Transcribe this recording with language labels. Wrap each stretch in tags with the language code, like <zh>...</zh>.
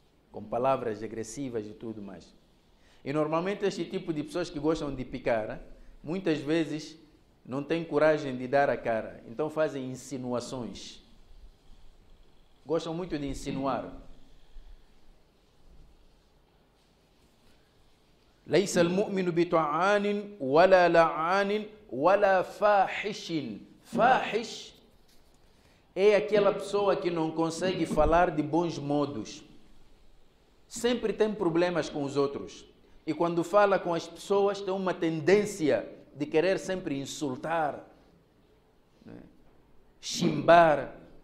<pt>Com palavras agressivas e tudo mais. E normalmente este tipo de pessoas que gostam de picar, muitas vezes não têm coragem de dar a cara. Então fazem insinuações. Gostam muito de insinuar.</pt> <ar>ليس المؤمن بطعان ولا لعان ولا فاحش.</ar> <pt>فاحش é aquela pessoa que não consegue falar de bons modos. Sempre tem problemas com os outros. E quando fala com as pessoas, tem uma tendência de querer sempre insultar, né? Chimbar.</pt>